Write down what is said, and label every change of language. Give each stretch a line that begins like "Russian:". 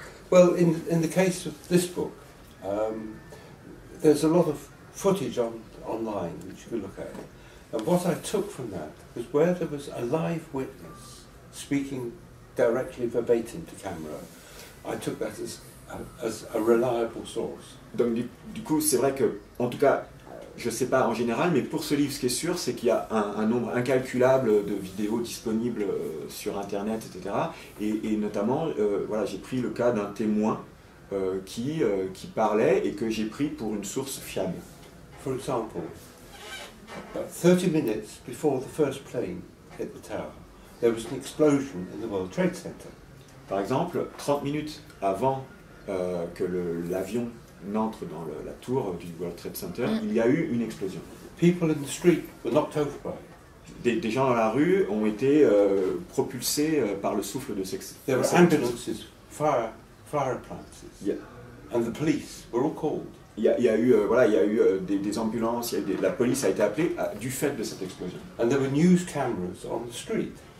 English: Well, in the case of this book, there's a lot of footage online which you can look at. And what I took from that was where there was a live witness speaking directly verbatim to camera. I took that as a reliable source.
French: Donc du coup, c'est vrai que, en tout cas, je ne sais pas en général, mais pour ce livre, ce qui est sûr, c'est qu'il y a un nombre incalculable de vidéos disponibles sur Internet, etc. Et notamment, voilà, j'ai pris le cas d'un témoin qui parlait et que j'ai pris pour une source fiable.
English: For example, 30 minutes before the first plane hit the tower, there was an explosion in the World Trade Center.
French: Par exemple, 30 minutes avant que l'avion n'entre dans la tour du World Trade Center, il y a eu une explosion.
English: People in the street were knocked over by.
French: Des gens dans la rue ont été propulsés par le souffle de ces.
English: There were ambulances, fire appliances, yeah. And the police were all called.
French: Il y a eu des ambulances, la police a été appelée du fait de cette explosion.
English: And there were news cameras on the street.